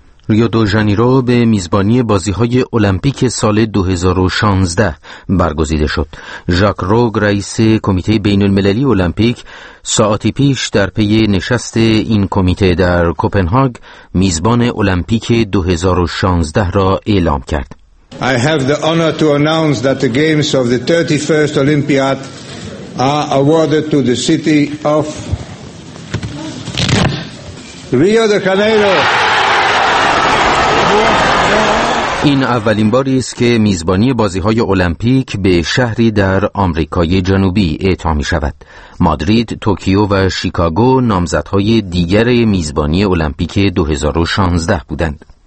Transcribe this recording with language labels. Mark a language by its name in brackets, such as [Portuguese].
[Persian] ریو دو ژانیرو به میزبانی بازی‌های المپیک سال 2016 برگزیده شد. ژاک روگ، رئیس کمیته بین‌المللی المپیک، ساعتی پیش در پی نشست این کمیته در کوپنهاگ میزبان المپیک 2016 را اعلام کرد. [English] I have the honor to announce that the games of the 31st Olympiad are awarded to the city of Rio de Janeiro. [Persian] این اولین باری است که میزبانی بازی‌های المپیک به شهری در آمریکای جنوبی اعطا می‌شود. مادرید، توکیو و شیکاگو نامزدهای دیگر میزبانی المپیک 2016 بودند.